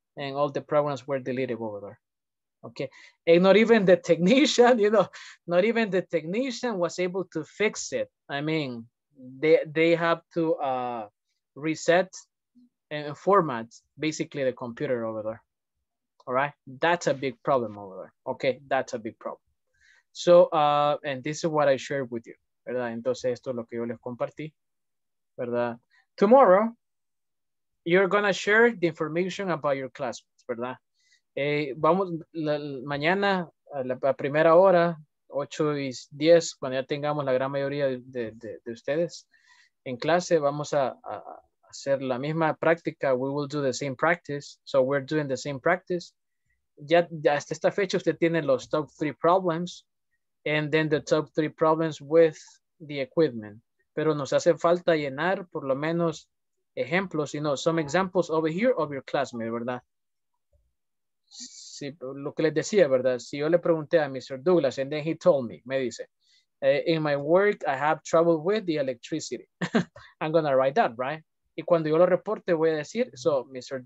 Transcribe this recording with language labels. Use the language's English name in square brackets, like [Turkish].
[English] And all the programs were deleted over there. Okay. And not even the technician, you know, not even the technician was able to fix it. I mean, they have to reset and format basically the computer over there. All right, that's a big problem over there. Okay, that's a big problem. So, and this is what I shared with you, [Spanish] ¿verdad? Entonces, esto es lo que yo les compartí, ¿verdad? [English] Tomorrow, you're gonna share the information about your classmates, [Spanish] ¿verdad? Vamos, mañana, a la primera hora, 8 y 10, cuando ya tengamos la gran mayoría de ustedes en clase, vamos a hacer la misma práctica. [English] We will do the same practice. So we're doing the same practice. [Spanish] Ya hasta esta fecha usted tiene los [English] top three problems and then the top three problems with the equipment. [Spanish] Pero nos hace falta llenar por lo menos ejemplos, [English] you know, some examples over here of your classmate, [Spanish] ¿verdad? Si, lo que les decía, ¿verdad? Si yo le pregunté a Mr. Douglas [English] and then he told me, [Spanish] me dice, [English] In my work, I have trouble with the electricity. I'm going to write that, right? [Spanish] Y cuando yo lo reporte, voy a decir, so, Mr.